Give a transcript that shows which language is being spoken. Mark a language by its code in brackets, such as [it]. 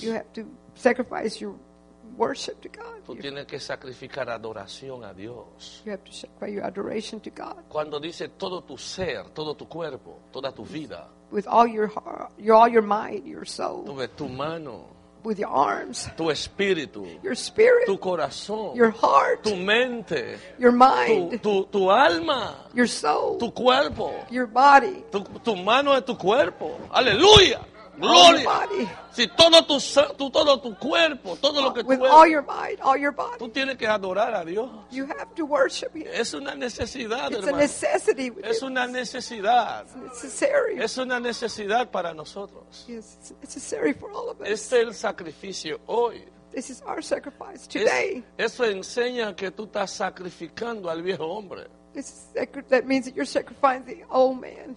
[en] You have to sacrifice your worship to God. [es] Tú tienes que sacrificar adoración a Dios. [en] You have to sacrifice your adoration to God. [es] Cuando dice todo tu ser, todo tu cuerpo, toda tu vida. [en] With all your heart, your all your mind, your soul. [es] Tu mano. [en] With your arms. [es] Tu espíritu. [en] Your spirit. [es] Tu corazón. [en] Your heart. [es] Tu mente. [en] Your mind. [es] Tu alma. [en] Your soul. [es] Tu cuerpo. [en] Your body. [es] Tu mano es tu cuerpo. Aleluya. Gloria. Si todo tu cuerpo, todo lo que tú eres. [en] All your mind, all your body. [es] Tú tienes que adorar a Dios. [en] You have to worship him. [es] Es una necesidad, [en] it's [es] hermano. [en] A necessity. [es] Es una necesidad. [en] It's necessary. [es] Es una necesidad para nosotros. [en] Yes, it's necessary for all of us. [es] Este es el sacrificio hoy. [en] This is our sacrifice today. [es] Eso enseña que tú estás sacrificando al viejo hombre. [en] That means that you're sacrificing the old man.